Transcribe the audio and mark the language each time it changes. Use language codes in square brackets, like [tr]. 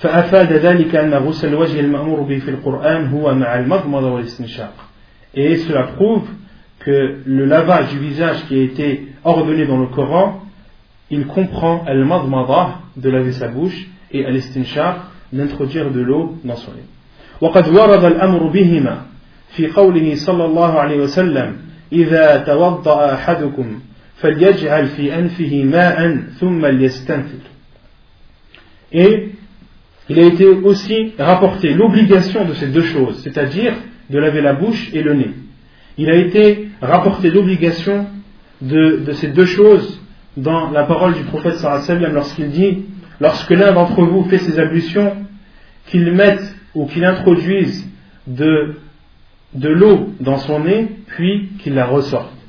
[ar] فأفاد ذلك أن غسل الوجه المأمور به في القرآن هو مع المضمضة والاستنشاق. [fr] Et cela prouve que le lavage du visage qui a été ordonné dans le Coran, il comprend al-madmada, de laver sa bouche, et al-istinshaq, d'introduire de l'eau dans son nez. [ar] وقد ورد الأمر بهما في قوله صلى الله عليه وسلم إذا توضأ أحدكم فليجعل في أنفه ماء ثم ليستنثر. [fr] Et il a été aussi rapporté l'obligation de ces deux choses, c'est-à-dire de laver la bouche et le nez. Il a été rapporté l'obligation de ces deux choses dans la parole du prophète sallallahu alayhi wa sallam lorsqu'il dit, lorsque l'un d'entre vous fait ses ablutions, qu'il mette ou qu'il introduise de l'eau dans son nez, puis qu'il la ressorte.